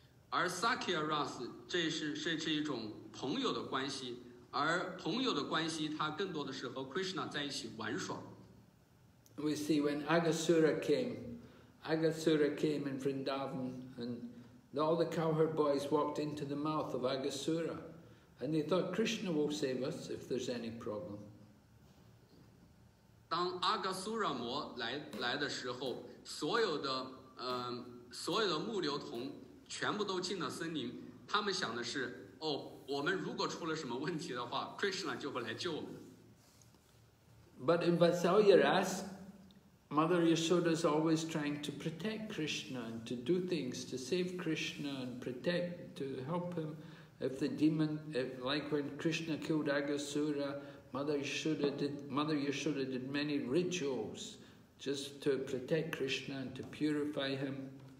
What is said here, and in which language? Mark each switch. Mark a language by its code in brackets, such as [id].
[zh] 而 Sakya Ras 这是一种朋友的关系，而朋友的关系它更多的是和 Krishna 在一起玩耍。We [en] see when Agasura came in Vrindavan, and all the cowherd boys walked into the mouth of Agasura, and they thought Krishna will save us if there's any problem. [zh] 当阿嘎苏拉摩来的时候，所有的牧牛童全部都进了森林，他们想的是，哦，我们如果出了什么问题的话， Krishna 就会来救我们。 [en] But in Vatsalya Rasa, Mother Yashoda is always trying to protect Krishna and to do things to save Krishna and protect to help him. Like when Krishna killed Agasura, Mother Yashoda did many rituals just to protect Krishna and to purify him.